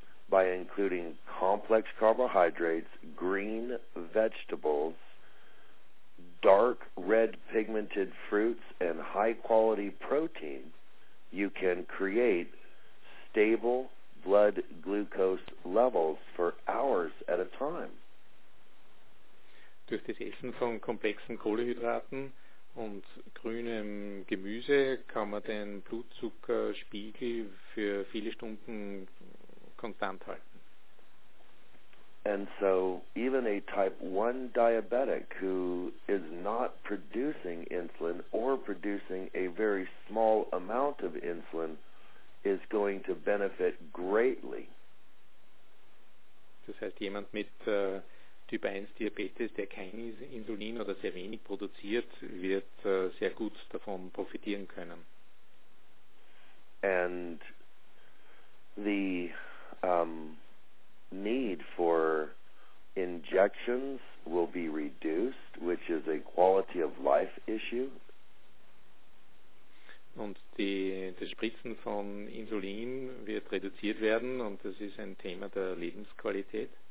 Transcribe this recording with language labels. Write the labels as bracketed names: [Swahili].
[English] By including complex carbohydrates, green vegetables, dark red pigmented fruits and high quality protein, you can create stable blood glucose levels for hours at a time. [German] Durch das Essen von komplexen Kohlenhydraten und grünem Gemüse kann man den Blutzuckerspiegel für viele Stunden konstant halten. [English] And so even a type 1 diabetic who is not producing insulin or producing a very small amount of insulin is going to benefit greatly. [German] Das heißt, jemand mit Typ 1 Diabetes, der kein Insulin oder sehr wenig produziert, wird sehr gut davon profitieren können. [English] and the need for injections will be reduced, which is a quality of life issue. [German] Und das Spritzen von Insulin wird reduziert werden, und das ist ein Thema der Lebensqualität.